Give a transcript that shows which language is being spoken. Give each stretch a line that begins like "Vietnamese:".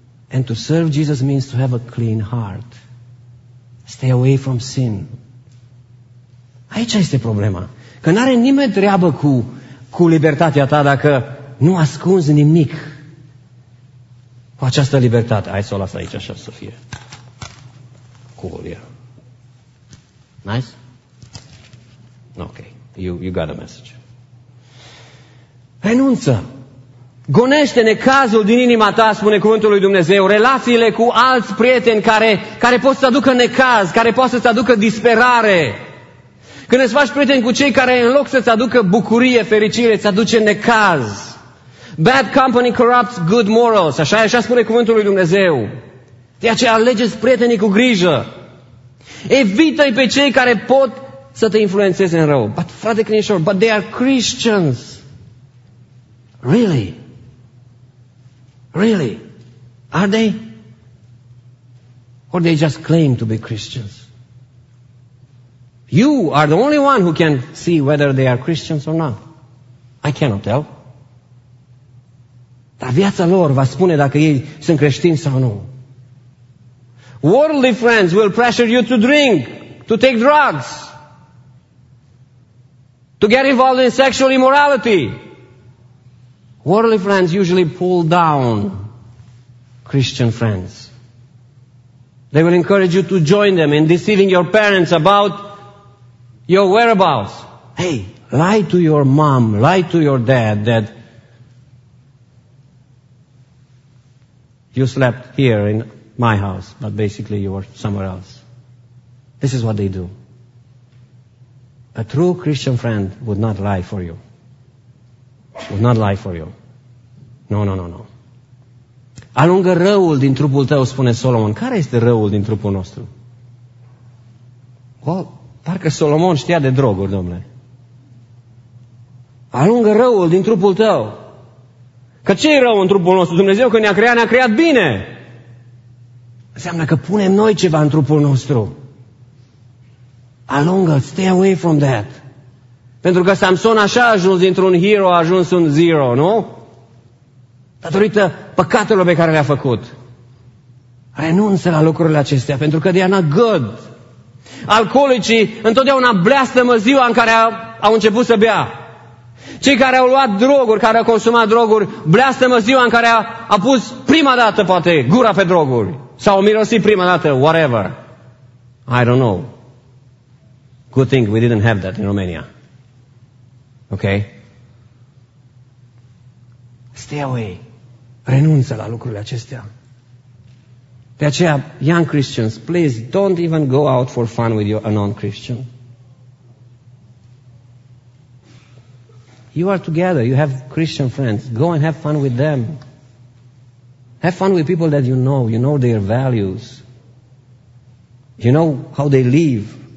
English: And to serve Jesus means to have a clean heart. Stay away from sin.
Romanian: Aici este problema. Că n-are nimeni treabă cu libertatea ta dacă nu ascunzi nimic cu această libertate. Hai să o las aici așa să fie.
English: Coolia. Nice? Ok. You got a message. Renunță.
Romanian: Gonește-ne cazul din inima ta, spune cuvântul lui Dumnezeu, relațiile cu alți prieteni care pot să-ți aducă necaz, care pot să-ți aducă disperare. Când îți faci prieteni cu cei care în loc să-ți aducă bucurie, fericire, îți aduce necaz.
English: Bad company corrupts good morals,
Romanian: așa spune cuvântul lui Dumnezeu. De aceea alegeți prietenii cu grijă. Evită-i pe cei care pot să te influențeze în rău.
English: But frate Crinișor, but they are Christians. Really? Really? Are they? Or they just claim to be Christians? You are the only one who can see whether they are Christians or not. I cannot tell.
Romanian: Dar viața lor va spune dacă ei sunt creștini sau nu.
English: Worldly friends will pressure you to drink, to take drugs, to get involved in sexual immorality. Worldly friends usually pull down Christian friends. They will encourage you to join them in deceiving your parents about your whereabouts. Hey, lie to your mom, lie to your dad that you slept here in my house, but basically you were somewhere else. This is what they do. A true Christian friend would not lie for you. Would not lie for you. No.
Romanian: Alungă răul din trupul tău, spune Solomon. Care este răul din trupul nostru? Well, parcă Solomon știa de droguri, domnule. Alungă răul din trupul tău. Că ce e rău în trupul nostru? Dumnezeu când ne-a creat bine. Înseamnă că punem noi ceva în trupul nostru.
English: Alungă, stay away from that.
Romanian: Pentru că Samson așa a ajuns dintr-un hero, a ajuns un zero, nu? Datorită păcatelor pe care le-a făcut. Renunță la lucrurile acestea, pentru că
English: they are not good.
Romanian: Alcoolicii întotdeauna blestemă ziua în care au început să bea. Cei care au luat droguri, care au consumat droguri, blestemă ziua în care a pus prima dată, poate, gura pe droguri. Sau mirosi prima dată, whatever.
English: I don't know. Good thing we didn't have that in Romania. Ok? Stay away.
Romanian: Renunță la lucrurile acestea. De aceea,
English: young Christians, please don't even go out for fun with a non-Christian. You are together. You have Christian friends. Go and have fun with them. Have fun with people that you know. You know their values. You know how they live.